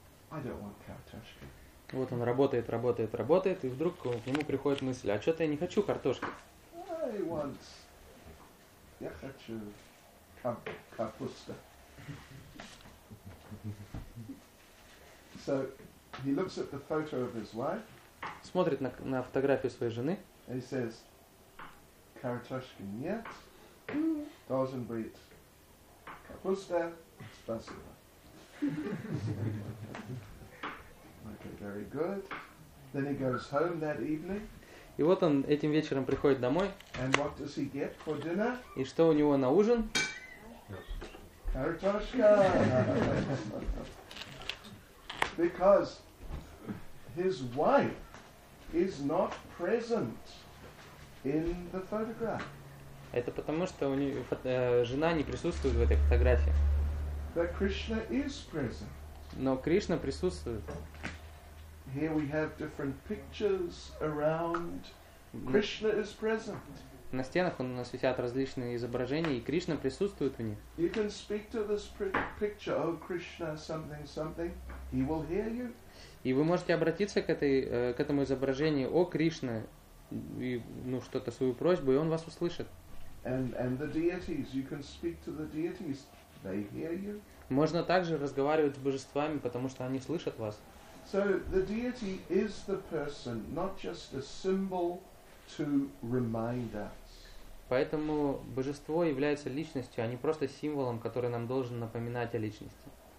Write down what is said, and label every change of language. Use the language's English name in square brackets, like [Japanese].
[English] I don't want картошки. [Russian] Вот он работает, работает, работает, и вдруг к нему приходит мысль, а что-то я не хочу картошки. [English] I want... [Russian] Я хочу капуста. [English] So, he looks at the photo of his wife. [Russian] Смотрит на фотографию своей жены. [English] And he says, [Russian] картошки нет, должен быть капуста, спасибо. [English] Okay, very good. Then he goes home that evening. [Russian] И вот он этим вечером приходит домой. [English] And what does he get for dinner? [Russian] И что у него на ужин? Картошка. [English] Because his wife is not present in the photograph. [Russian] Это потому что у нее жена не присутствует в этой фотографии. [English] But Krishna is present. [Russian] Но Кришна присутствует. [English] Here we have different pictures around. Krishna is present. [Russian] На стенах у нас висят различные изображения, и Кришна присутствует в них. [English] You can speak to this picture, oh Krishna, something, something. He will hear you. [Russian] И вы можете обратиться к этому изображению, о Кришна, и ну что-то свою просьбу, и он вас услышит. [English] And the deities, you can speak to the deities, they hear you. [Russian] Можно также разговаривать с божествами, потому что они слышат вас. [English] So the deity is the person, not just a symbol to remind us. [Russian] Поэтому божество является личностью, а не просто символом, который нам должен напоминать о личности.